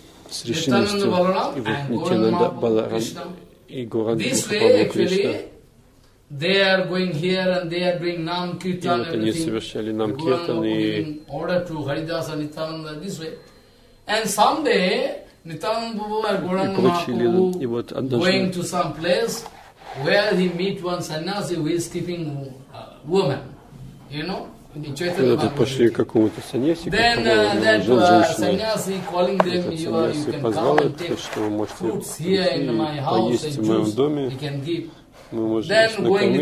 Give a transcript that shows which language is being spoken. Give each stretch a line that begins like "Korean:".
Russian: С решимостью. И вот Нитянанда Баларам и Гуранга Махапрабху Кришна.
English: They are going here and they are doing nam kirtan and everything. Order to Haridasa Nitananda this way. And someday Nitananda Babu or Gauranga Mahaprabhu going to some place where he meet one sannyasi who is keeping woman. You know?
Russian: Когда-то пошли к какому-то саньяси, жил женщина. Этот саньяси позвал их, что вы можете поесть в моем доме, мы можем вас накормить.